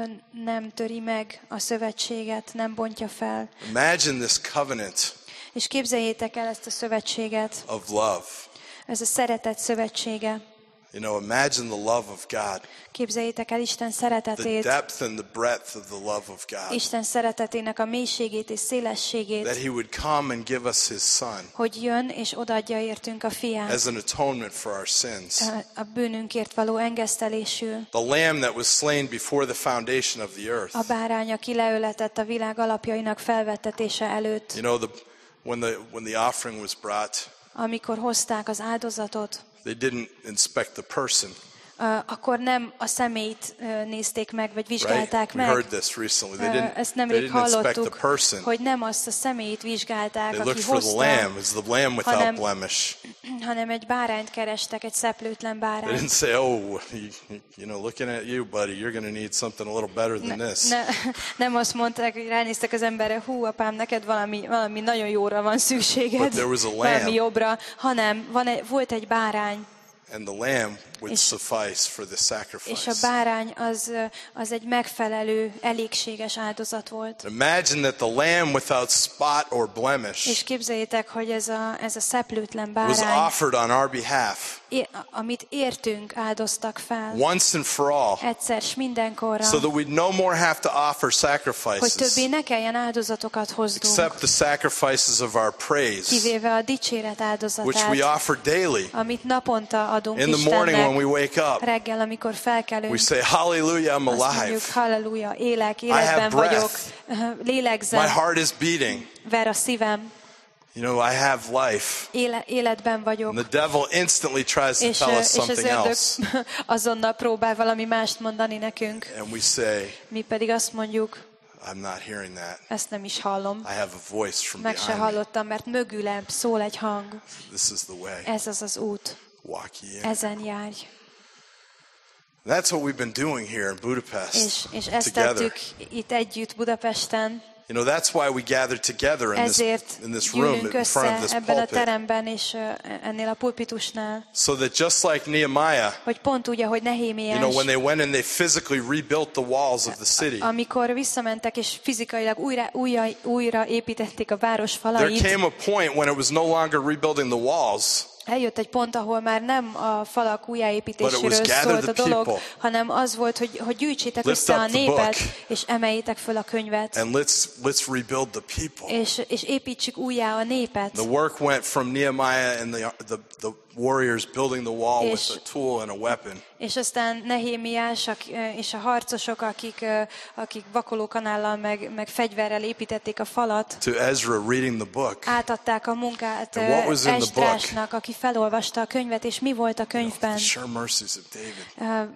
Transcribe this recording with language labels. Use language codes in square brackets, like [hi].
[hu] Nem töri meg a szövetséget, nem bontja fel. [en] Imagine this covenant. [hu] És képzeljétek el ezt a szövetséget. [en] Of love. [hu] Ez a szeretet szövetsége. [en] You know, imagine the love of God. [hu] Képzeljétek el Isten szeretetét. [en] The depth and the breadth of the love of God. [hu] Isten szeretetének a mélységét és szélességét. [en] That he would come and give us his son. [hu] Hogy jön és odaadja értünk a fiát. [en] As an atonement for our sins. [hu] A bűnünkért való engesztelésül. [en] The lamb that was slain before the foundation of the earth. [hu] A bárány, aki leöletett a világ alapjainak felvettetése előtt. [en] You know, when the offering was brought. [hu] Amikor hozták az áldozatot. [en] They didn't inspect the person. [hu] Akkor nem a személyt nézték meg, vagy vizsgálták [en] right? [hu] meg. [en] We heard this recently. They didn't inspect the person. [hu] Hogy nem azt a személyt vizsgálták, aki hozta. [en] They looked for the lamb. It's the lamb without blemish. [hu] Hanem egy bárányt kerestek, egy szeplőtlen bárányt. [en] They didn't say, you know, looking at you, buddy, you're going to need something a little better than this. [hu] Nem azt mondták, hogy ránéztek az emberre, hú, apám, neked valami nagyon jóra van szükséged. [en] But there was a lamb. [hu] Valami jobbra. Hanem volt egy bárány. [en] And the lamb would suffice for the sacrifice. [hu] És a bárány az egy megfelelő, elégséges áldozat volt. [en] Imagine that the lamb without spot or blemish. [hu] És képzeljétek, hogy ez a szeplőtlen bárány. [en] Was offered on our behalf. [hu] Amit értünk áldoztak fel. [en] Once and for all. [hu] Egyszer s mindenkorra. [en] So that we no more have to offer sacrifices. [hu] Hogy többé ne kelljen áldozatokat hoznunk. [en] Except the sacrifices of our praise. [hu] Kivéve a dicséret áldozatát. [en] Which we offer daily. [hu] Amit naponta adunk [en] in the morning when we wake up. [hu] Reggel, amikor felkelünk. [en] We say hallelujah, I'm alive. [hu] Azt mondjuk, hallelujah, élek, életben vagyok. Lélegzem. [en] My heart is beating. [hu] Ver a szívem. [en] You know, I have life. [hu] Életben vagyok. [en] And the devil instantly tries to tell us something else. [hu] Azonnal próbál valami mást mondani nekünk. [en] And we say, [hu] mi pedig azt mondjuk, [en] I'm not hearing that. [hu] Ezt nem is hallom. [en] I have a voice from behind. [hu] Meg se hallottam, mert mögülem szól egy hang. [en] This is the way. [hu] Ez az az út. [en] Walk ye. [hu] Ezen járj. [en] That's what we've been doing here in Budapest. [hu] És ezt tettük itt együtt Budapesten. [en] You know, that's why we gather together in this room in front of this pulpit. [hu] A teremben és ennél a pulpitusnál. [en] So that just like Nehemiah. [hu] Hogy pont úgy, ahogy Nehémiás. [en] You know, when they went and they physically rebuilt the walls of the city. [hu] Amikor visszamentek és fizikailag újra építették a város falait. [en] There came a point when it was no longer rebuilding the walls. [hu] Eljött egy pont, ahol már nem a falak újjáépítéséről szólt a dolog, hanem az volt, hogy gyűjtsétek össze a népet, és emeljétek föl a könyvet. [en] And let's rebuild the people. [hu] És építsük újjá a népet. [en] The work went from Nehemiah and the warriors building the wall with a tool and a weapon. [hu] És aztán Nehémiás és a harcosok, akik vakolókanállal meg fegyverrel építették a falat. [en] To Ezra reading the book. [hu] Átadták a munkát Esdrásnak, aki felolvasta a könyvet, és mi volt a könyvben? [en] The sure mercies of David.